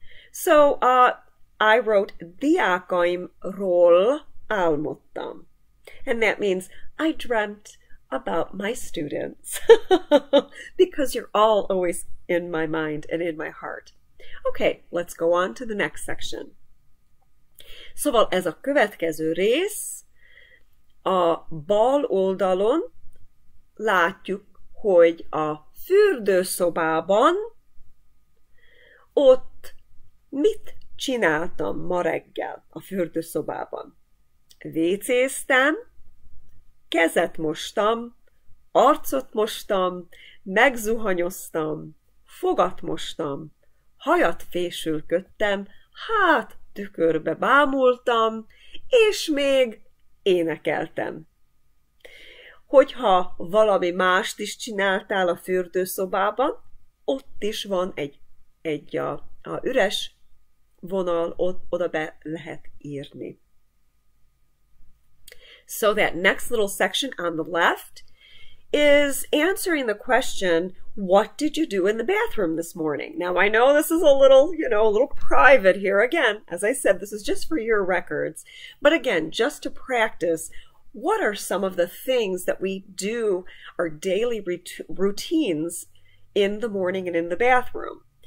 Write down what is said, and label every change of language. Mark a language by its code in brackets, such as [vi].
[en] So I wrote [hu] diákaim ról álmodtam, [en] and that means I dreamt about my students because you're all always in my mind and in my heart. Okay, let's go on to the next section. [hu] Szóval ez a következő rész. A bal oldalon látjuk, hogy a fürdőszobában ott mit csináltam ma reggel a fürdőszobában. Vécéztem, kezet mostam, arcot mostam, megzuhanyoztam, fogat mostam, hajat fésülködtem, hát tükörbe bámultam, és még énekeltem. Hogyha valami mást is csináltál a fürdőszobában, ott is van a üres vonal, ott oda be lehet írni. [en] So that next little section on the left is answering the question, what did you do in the bathroom this morning? Now I know this is a little private here. Again, as I said, this is just for your records. But again, just to practice, what are some of the things that we do our daily routines in the morning and in the bathroom?